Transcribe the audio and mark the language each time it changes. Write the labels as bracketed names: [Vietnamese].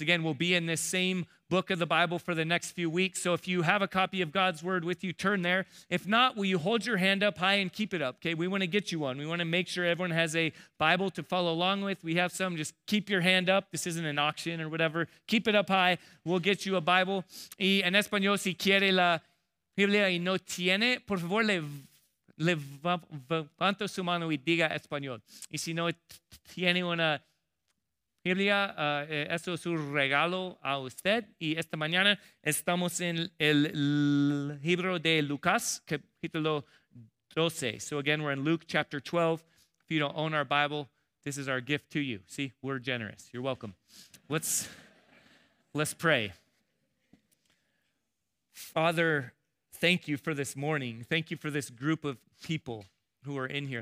[English] Again, we'll be in this same book of the Bible for the next few weeks. So if you have a copy of God's word with you, turn there. If not, will you hold your hand up high and keep it up? Okay, we want to get you one. We want to make sure everyone has a Bible to follow along with. We have some. Just keep your hand up. This isn't an auction or whatever. Keep it up high. We'll get you a Bible. [Spanish] Y en español, si quiere la Biblia y no tiene, por favor, levanto su mano y diga español. Y si no tiene una Biblia, eso es un regalo a usted. Y esta mañana estamos en el libro de Lucas, capítulo 12. [English] So again, we're in Luke chapter 12. If you don't own our Bible, this is our gift to you. See, we're generous. You're welcome. Let's pray. Father, thank you for this morning. Thank you for this group of people who are in here.